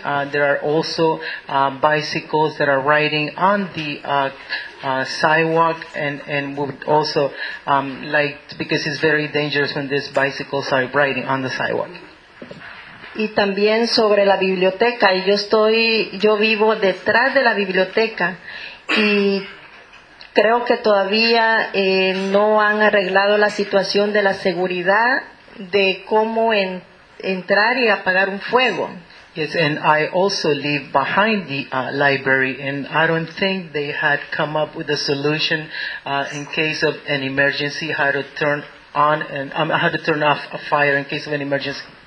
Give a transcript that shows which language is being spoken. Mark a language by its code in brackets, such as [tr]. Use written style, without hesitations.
[en] There are also bicycles that are riding on the sidewalk, and would also like to, because it's very dangerous when these bicycles are riding on the sidewalk. [es] Y también sobre la biblioteca, y yo vivo detrás de la biblioteca, y creo que todavía no han arreglado la situación de la seguridad de cómo entrar y apagar un fuego. [en] Yes, and I also live behind the library, and I don't think they had come up with a solution in case of an emergency, how to turn off a fire in case of an emergency.